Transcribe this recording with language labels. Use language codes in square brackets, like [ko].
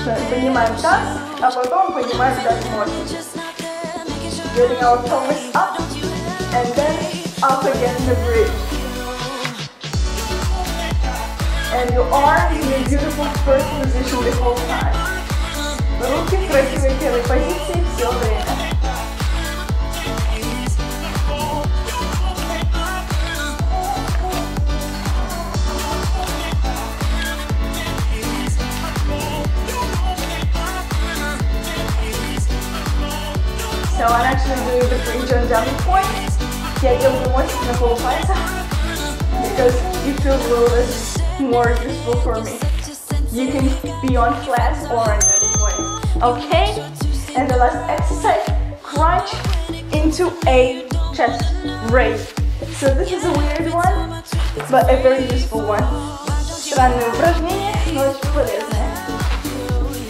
[ru] Поднимаем таз, а потом поднимаем таз мостик. [en] Getting our pelvis up and then up against the bridge. And your arms in a beautiful first position the whole time. [ru] Руки в красивой первой позиции все время. [en] So I'm actually doing the bridge on down point. [ru] я делаю мостик на полупальца, [en] because it feels a little bit more useful for me. You can be on flat or on point. Okay, and the last exercise, crunch into a chest raise. So this is a weird one, but a very useful one. [ru] Странное упражнение, но очень полезное.